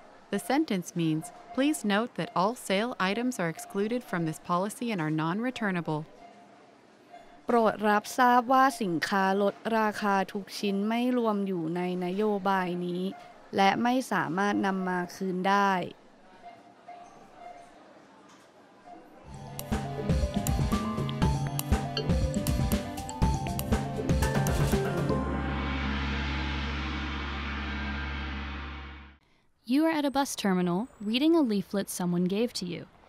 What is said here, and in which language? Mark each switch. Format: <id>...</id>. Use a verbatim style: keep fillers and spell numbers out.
<en>The sentence means, please note that all sale items are excluded from this policy and are non-returnable.</en> <th>โปรดรับทราบว่าสินค้าลดราคาทุกชิ้นไม่รวมอยู่ในนโยบายนี้และไม่สามารถนำมาคืนได้</th> <en>You are at a bus terminal reading a leaflet someone gave to you.</en>